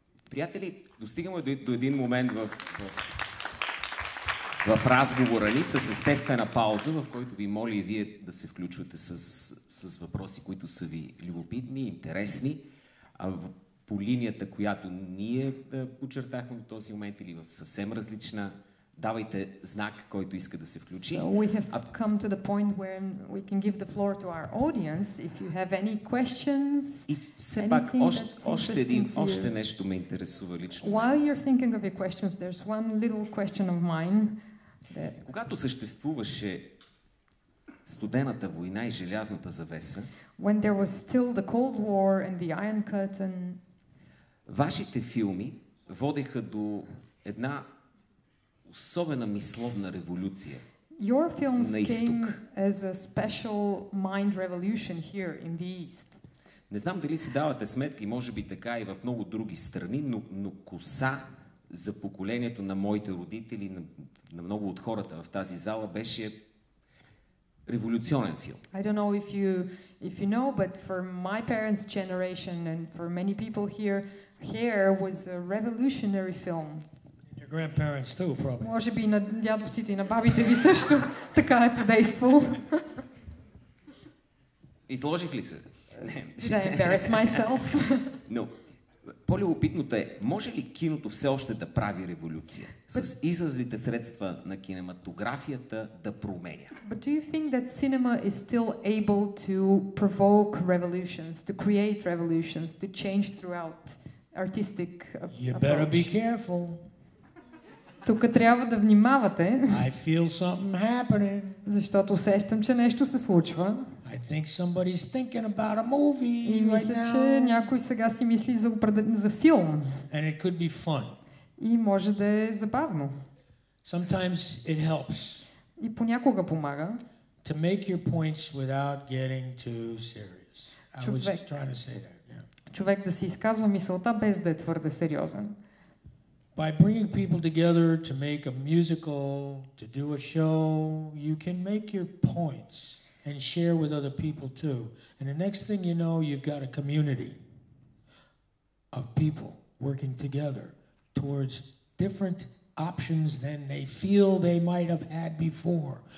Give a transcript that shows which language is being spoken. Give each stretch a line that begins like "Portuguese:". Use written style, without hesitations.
Bulgarian: Приятели, достигаме до един момент в разговора ни с естествена пауза, в който ви моля и вие да се включвате с въпроси, които са ви любопитни, интересни. По линията, която ние да очертахме в този момент или в съвсем различна, давайте знак, който иска да се включи.
English: So we have come to the point where we can give the floor to our audience if you have any questions.
Bulgarian: И все пак още нещо ме интересува лично.
English: While you're thinking of your questions, there's one little question of mine.
Bulgarian: Когато съществуваше студената война и желязната завеса,
English: when there was still the Cold War and the Iron Curtain,
Bulgarian: вашите филми водеха до една особена мисловна революция.
English: Your films came as a special mind revolution here in the East.
Bulgarian: Не знам дали си давате сметка и може би така и в много други страни, но, но коса за поколението на моите родители, на, на много от хората в тази зала беше революционен филм.
English: I don't know if you know, but for my parents' generation and for many people here, hair was a revolutionary film. Your grandparents too, probably.
Bulgarian: Може би на дядовците и на бабите ви също така е подействало. Изложих ли се?
English: Did I embarrass myself? No.
Bulgarian: По-любопитното е, може ли киното все още да прави революция? С изразните средства на кинематографията да променя?
English: But do you think that cinema is still able to provoke revolutions, to create revolutions, to change throughout artistic approach? You better be careful.
Bulgarian: Тук трябва да внимавате.
English: I feel something happening.
Bulgarian: Защото усещам, че нещо се случва.
English: I think somebody's thinking about a movie right now.
Bulgarian: И мисля, че някой сега си мисли за определен за филм.
English: And it could be fun.
Bulgarian: И може да е забавно.
English: Sometimes it helps.
Bulgarian: И понякога помага.
English: To make your points without getting too serious.
Bulgarian: Човек,
English: I was just trying to say that. Yeah.
Bulgarian: Човек да си изказва мисълта без да е твърде сериозен.
English: By bringing people together to make a musical, to do a show, you can make your points. And share with other people too. And the next thing you know, you've got a community of people working together towards different options than they feel they might have had before.